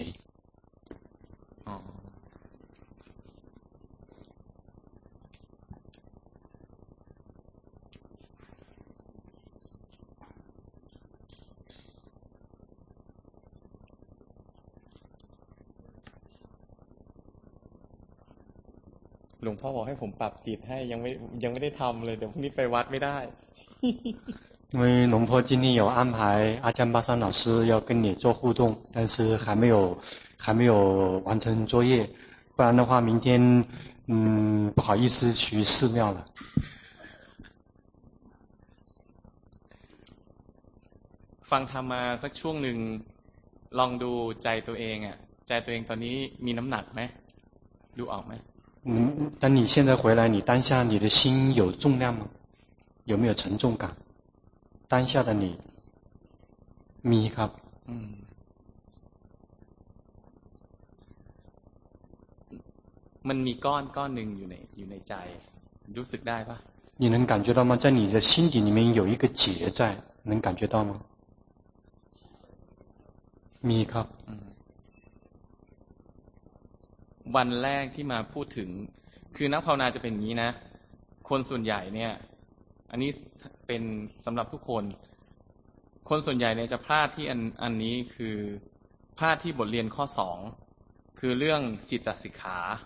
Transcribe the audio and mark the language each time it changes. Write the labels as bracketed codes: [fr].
[th] หลวงพ่อบอกให้ผมปรับจิตให้ยังไม่ได้ทำเลยเดี๋ยวพรุ่งนี้ไปวัดไม่ได้ [zh] 因为龙坡今天有安排阿江巴山老师要跟你做互动但是还没有完成作业不然的话明天不好意思去寺庙了 [th] ฟังธรรมมาสักช่วงหนึ่งลองดูใจตัวเองอ่ะใจตัวเองตอนนี้มีน้ำหนักไหมดูออกไหม [zh] 但你现在回来你当下你的心有重量吗有没有沉重感当下的你 [th] มีครับ มันมีก้อนหนึ่งอยู่ในใจรู้สึกได้ป่ะ [zh] 你能感觉到吗在你的心底里面有一个结在能感觉到吗 [th] มีครับ วันแรกที่มาพูดถึงคือนักภาวนาจะเป็นงี้นะคนส่วนใหญ่เนี่ยอันนี้เป็นสำหรับทุกคนคนส่วนใหญ่เนี่ยจะพลาดที่อันนี้คือพลาดที่บทเรียนข้อ2คือเรื่องจิตสิกขา